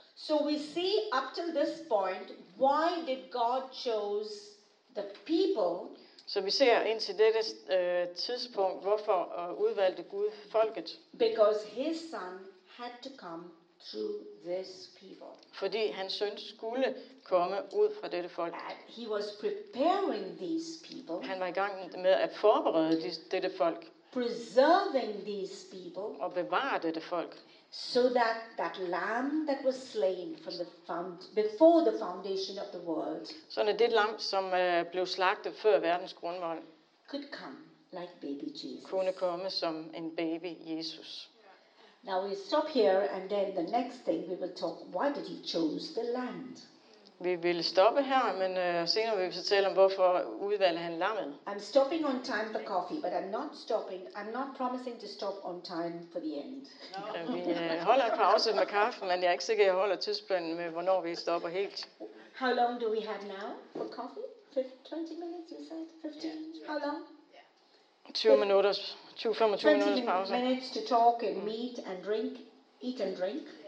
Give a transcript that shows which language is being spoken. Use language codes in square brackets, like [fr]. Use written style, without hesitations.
[en] So we see up to this point, why did God choose the people? [da] Så vi ser ind til dette tidspunkt, hvorfor udvalgte Gud folket? [en] Because his son had to come through this people. [da] Fordi hans søn skulle komme ud fra dette folk. [en] And he was preparing these people. [da] Han var i gang med at forberede dette folk. [en] Preserving these people. [da] Og bevare dette folk. [en] So that lamb that was slain from the before the foundation of the world. [da] Sådan det lam, som blev slagtet før verdens grundvold. [en] Could come like baby Jesus. [da] Kunne komme som en baby Jesus. [en] Now we stop here, and then the next thing we will talk. Why did he choose the land? [da] Vi vil stoppe her, men senere vil vi så tale om, hvorfor udvalgte han lammet. [en] I'm stopping on time for coffee, but I'm not stopping. I'm not promising to stop on time for the end. No. [da] Vi holder en pause med kaffe, men jeg er ikke sikker, at jeg holder tidsplanen med, hvornår vi stopper helt. [en] How long do we have now for coffee? 20 minutes, you said? 15? Yeah. How long? 20-25 minutes pause. 20 minutes to talk and meet and drink, eat and drink.